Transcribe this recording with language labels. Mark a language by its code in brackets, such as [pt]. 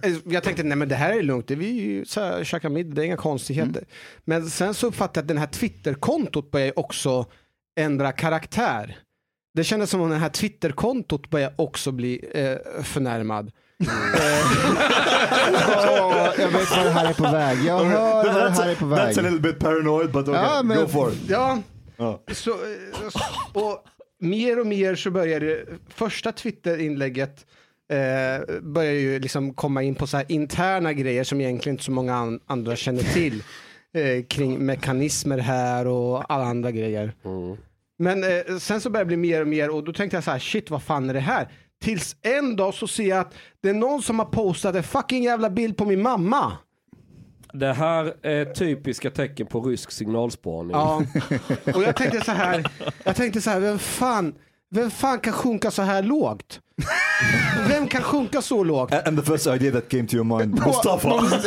[sv] Jag tänkte, nej, men det här är lugnt. Det är ju så här, käka middag. Det är inga konstigheter. Mm. Men sen så uppfattade jag att den här Twitterkontot började också ändra karaktär. Det kändes som om den här Twitterkontot började också bli förnärmad. Jag vet vad det här är på väg. Jag hör vad det här är på väg. [en] That's a little bit paranoid, but okay. [sv] Ja, men, [en] go for it. [sv] Ja, så, och mer och mer så börjar det första Twitter-inlägget börjar ju liksom komma in på så här interna grejer som egentligen inte så många andra känner till, kring mekanismer här och alla andra grejer. Men sen så börjar det bli mer och mer, och då tänkte jag så här, shit, vad fan är det här? Tills en dag så ser jag att det är någon som har postat en fucking jävla bild på min mamma. Det här är typiska tecken på rysk signalspaning. Ja. Och jag tänkte så här, vem fan kan sjunka så här lågt? Vem kan sjunka så lågt? [en] And the first idea that came to your mind, Mustafa.